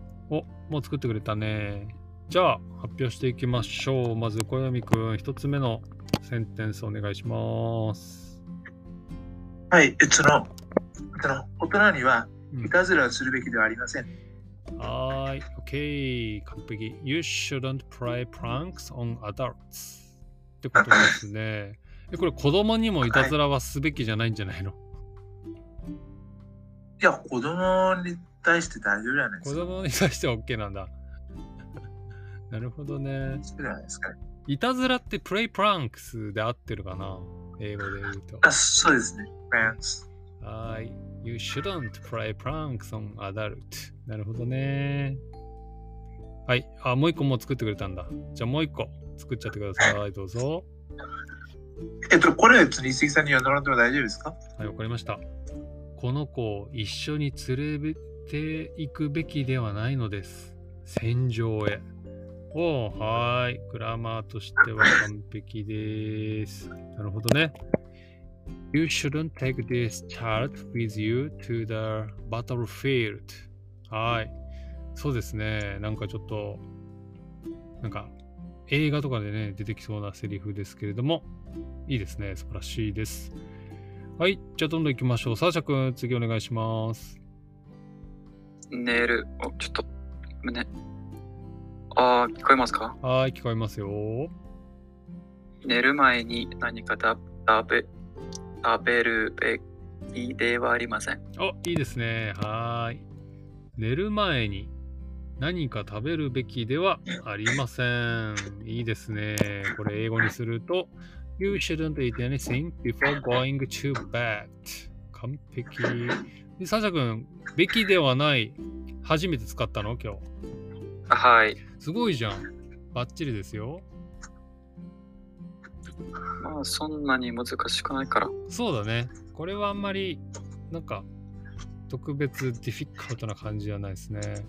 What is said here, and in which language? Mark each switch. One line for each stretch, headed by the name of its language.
Japanese: お、もう作ってくれたね。じゃあ発表していきましょう。まず小闇くん、一つ目のセンテンスお願いします。はい、その大人にはいたずらをするべきではありません。はい、OK、完璧。
English: You shouldn't play pranks on adults
Japanese: ってことですね。これ子供にもいたずらはすべきじゃないんじゃないの？いや、子供に対して大丈夫じゃないですか。子供に対しては OK なんだ。なるほどね。そうじゃないですか。いたずらってプレイプランクスで合ってるかな、英語で言うと。あ、そうですね。プランクス。はい。
English: You shouldn't play pranks on adult.
Japanese: なるほどね。はい。あ、もう一個もう作ってくれたんだ。じゃあもう一個作っちゃってください。どうぞ。これは別に石さんに呼んでもらっても大丈夫ですか？はい、わかりました。この子を一緒に連れていくべきではないのです。戦場へ。おー、はーい。グラマーとしては完璧です。なるほどね。
English: You shouldn't take this child with you to the battlefield.
Japanese: はい。そうですね。なんかちょっと、なんか映画とかでね、出てきそうなセリフですけれども、いいですね。素晴らしいです。はい、じゃあどんどん行きましょう。サーシャ君、次お願いします。寝る、お、ちょっと胸、あー、聞こえますか？はい、聞こえますよ。寝る前に何か食べるべきではありません。お、いいですね。はい、寝る前に何か食べるべきではありません。いいですね。これ英語にすると
English: You shouldn't eat anything before going to bed.
Japanese: 完璧。サシャ君、べきではない、初めて使ったの今日。はい。すごいじゃん。バッチリですよ。まあ、そんなに難しくないから。そうだね。これはあんまり、なんか、特別ディフィカルトな感じじゃないですね。